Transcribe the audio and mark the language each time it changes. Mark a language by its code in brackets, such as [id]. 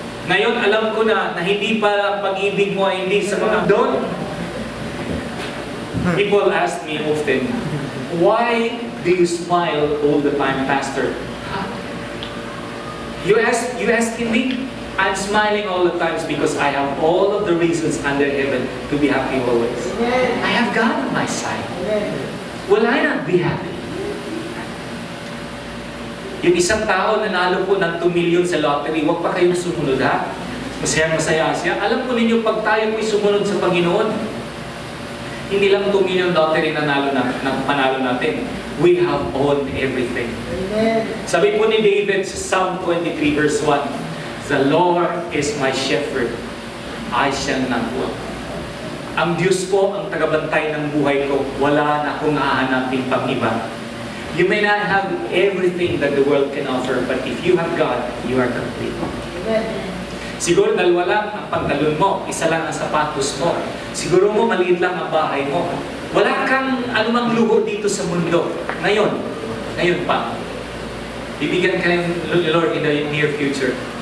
[tl] Ngayon, alam ko na, na hindi pa pag-ibig mo ay hindi sa mga doon." [en] People ask me often, "Why do you smile all the time, Pastor?" You asking me? I'm smiling all the times because I have all of the reasons under heaven to be happy always. Amen. I have God on my side. Amen. Will I not be happy? [tl] Yung isang tao nanalo po ng 2 million sa lottery, huwag pa kayong sumunod, ha? Masaya-masaya siya. Alam po ninyo, pag tayo po'y sumunod sa Panginoon, hindi lang 2 million lottery nanalo na, ng panalo natin. [en] We have owned everything. Amen. Sabi po ni David sa Psalm 23 verse 1, "The Lord is my shepherd, I shall not want." [tl] Ang Diyos po ang tagabantay ng buhay ko, wala na akong hahanapin pang iba. [en] You may not have everything that the world can offer, but if you have God, you are complete. Amen. [tl] Siguro dalawa lang ang pantalon mo, isa lang ang sapatos mo. Siguro mo maliit lang ang bahay mo. Wala kang anumang luho dito sa mundo. Ngayon pa. Bibigyan ka ng Lord [en] in the near future.